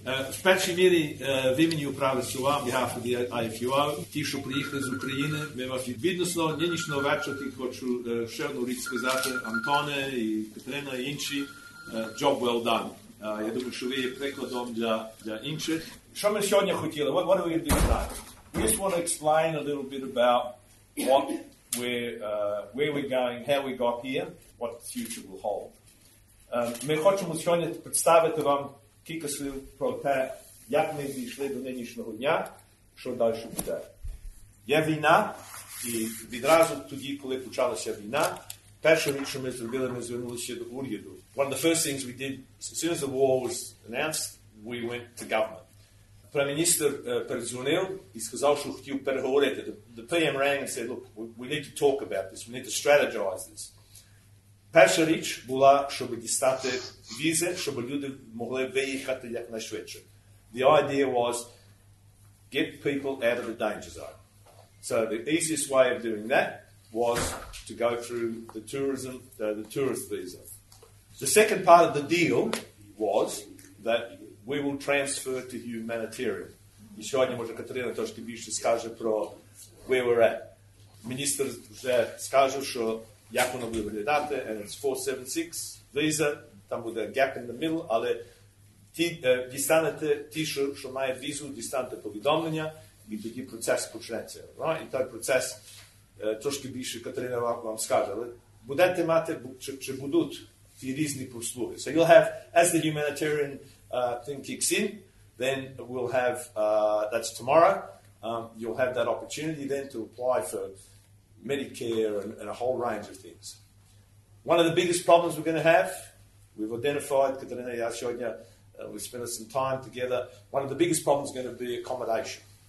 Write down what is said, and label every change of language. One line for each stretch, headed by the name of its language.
Ukrainian: В першій мірі в імені управи СОА,
English: behalf of the IFUR,
Ukrainian: ті, що приїхали з України, ми вас відносно нинішнього вечора хочу ще одну річ сказати. Антоне і Катерина і інші,
English: job well done.
Ukrainian: Я думаю, що ви є прикладом для інших. Що ми сьогодні хотіли?
English: What are we going to do today? We just want to explain a little bit about what where we're going, how we got here, what the future will hold.
Ukrainian: Ми хочемо сьогодні представити вам кілька слів про те, як ми дійшли до нинішнього дня, що далі буде. Є війна, і відразу тоді, коли почалася війна, перша річ, що ми зробили, ми звернулися до уряду.
English: One of the first things we did, as soon as the war was announced, we went to government.
Ukrainian: Прем'єр-міністр перезвонив і сказав, що хотів переговорити.
English: The PM rang and said, look, we need to talk about this, we need to strategize this.
Ukrainian: Перша річ була, щоб дістати візи, щоб люди могли виїхати якнайшвидше.
English: The idea was get people out of the danger zone. So the easiest way of doing that was to go through the tourist visa. The second part of the deal was that we will transfer to humanitarian.
Ukrainian: І сьогодні, може, Катерина трошки більше скаже про
English: where we're at.
Ukrainian: Міністр вже скаже, що як воно буде виглядати,
English: and it's 476 visa,
Ukrainian: там буде
English: gap in the middle,
Ukrainian: але дістанете ті, що має візу, дістанете повідомлення, і тоді процес почнеться.
English: No?
Ukrainian: І той процес, трошки більше Катерина вам скаже, але будете мати, чи будуть ті різні послуги.
English: So you'll have, as the humanitarian thing kicks in, then we'll have, that's tomorrow, you'll have that opportunity then to apply for Medicare and a whole range of things. One of the biggest problems we're going to have, we've identified, Katerina and I showed we spent some time together, one of the biggest problems is going to be accommodation.